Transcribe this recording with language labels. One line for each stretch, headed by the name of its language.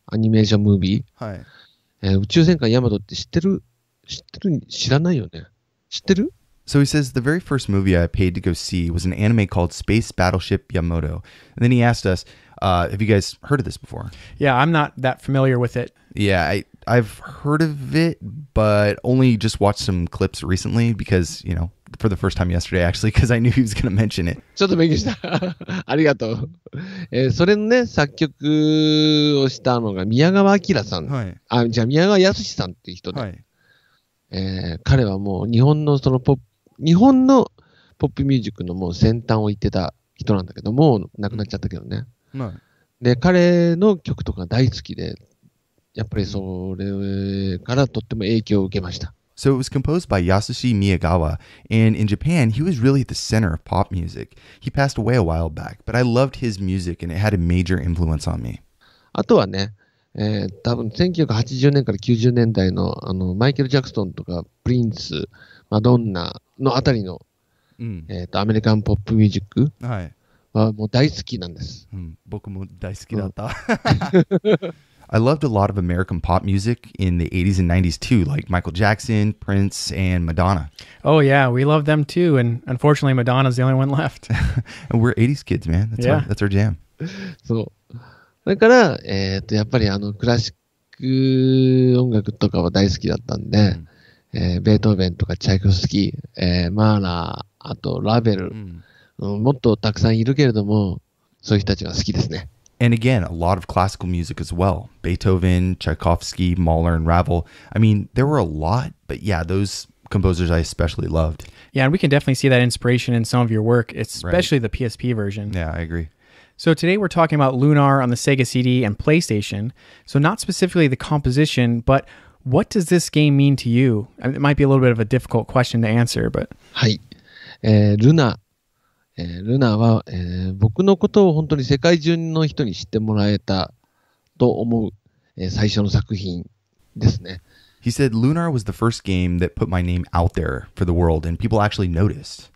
Japanese: アニメーションムービー。はい。宇宙戦艦ヤマトって知ってる？知ってる？知らないよね。知ってる？
English: So he says the very first movie I paid to go see was an anime called Space Battleship Yamato. And then he asked us, have you guys heard of this before? Yeah, I'm not that familiar with it. Yeah, I've heard of it, but only just watched some clips recently because, you know, for the first time yesterday, actually, because I knew he was going to mention it.
Japanese: ちょっと勉強した。ありがとう。それのね、作曲をしたのが宮川明さん。はい。あ、じゃあ宮川康さんっていう人で。はい。彼はもう日本のそのポップ、日本のポップミュージックのもう先端を行ってた人なんだけど、もう亡くなっちゃったけどね。はい。で、彼の曲とか大好きで、やっぱりそれからとっても影響を受けました。
English: So it was composed by Yasushi Miyagawa, and in Japan, he was really at the center of pop music. He passed away a while back, but I loved his music, and it had a major influence on me.
Japanese: あとはね、多分1980年から90年代の、あの、マイケル・ジャクソンとか、プリンス、マドンナのあたりの、アメリカンポップミュージック。はい。もう大好きなんです。うん、僕も大好きだった。
English: I loved a lot of American pop music in the 80s and 90s too, like Michael Jackson, Prince, and Madonna. Oh yeah, we loved them too, and unfortunately Madonna's the only one left. And we're 80s kids, man. That's yeah. That's our jam.
Japanese: そう。だから、やっぱりあのクラシック音楽とかは大好きだったんで、ベートーベンとかチャイコフスキー、マーラー、あとラヴェル、もっとたくさんいるけれども、そういう人たちが好きですね。
English: And again, a lot of classical music as well. Beethoven, Tchaikovsky, Mahler, and Ravel. I mean, there were a lot, but yeah, those composers I especially loved. Yeah, and we can definitely see that inspiration in some of your work, especially right. The PSP version. Yeah, I agree. So today we're talking about Lunar on the Sega CD and PlayStation. So not specifically the composition, but what does this game mean to you? I mean, it might be a little bit of a difficult question to answer, but...
Japanese: はい。Lunar. ルナは、僕のことを本当に世界中の人に知ってもらえたと思う、最初の作品ですね。
English: He said Lunar was the first game that put my name out there for the world and people actually noticed.